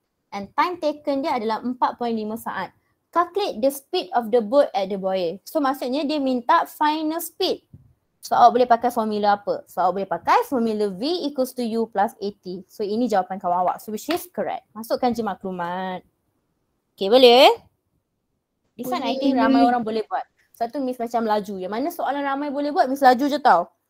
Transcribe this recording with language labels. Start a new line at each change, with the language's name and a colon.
Malay: And time taken dia adalah 4.5 saat.
English: Calculate the speed of the boat at the buoy.
Malay: So maksudnya dia minta final speed. So awak boleh pakai formula apa? So awak boleh pakai formula V equals to U plus AT. So ini jawapan kawan awak.
English: So which is correct.
Malay: Masukkan je maklumat. Okay, boleh?
English: This one I think
Malay: ramai orang boleh buat. Satu miss macam laju. Yang mana soalan ramai boleh buat, miss laju je tau.